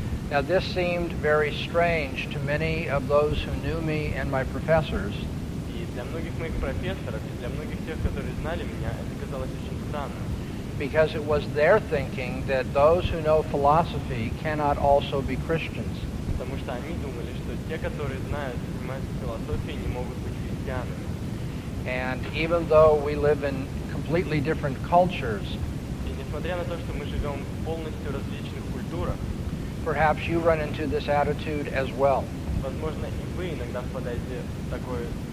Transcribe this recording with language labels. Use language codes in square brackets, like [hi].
[en] Now this seemed very strange to many of those who knew me and my professors. [ru] Для многих моих профессоров и для многих тех, которые знали меня, это казалось очень странным. [en] Because it was their thinking that those who know philosophy cannot also be Christians. [ru] Потому что они думали, что те, которые знают, занимаются философией, не могут быть христианами. [en] And even though we live in completely different cultures, [ru] и несмотря на то, что мы живем в полностью различных культурах, [en] perhaps you run into this attitude as well. [ru] Возможно, и вы иногда впадаете в такое.